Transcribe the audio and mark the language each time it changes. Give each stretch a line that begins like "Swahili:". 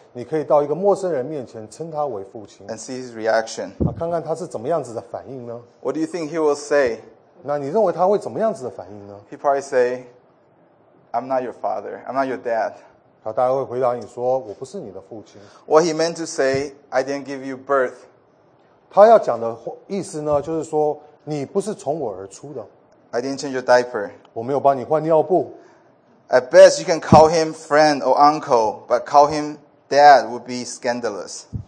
Chinese: 你下次若是觉得很无聊的时候，你可以到一个陌生人面前称他为父亲。
English: And see his reaction.
Chinese: 看看他是怎么样子的反应呢？
English: What do you think he will say?
Chinese: 那你认为他会怎么样子的反应呢？
English: He probably say, I'm not your father, I'm not your dad.
Chinese: 他大概会回答你说，我不是你的父亲。
English: What he meant to say, I didn't give you birth.
Chinese: 他要讲的意思呢，就是说你不是从我而出的。
English: I didn't change your diaper.
Chinese: 我没有帮你换尿布。
English: At best, you can call him friend or uncle, but call him dad would be scandalous.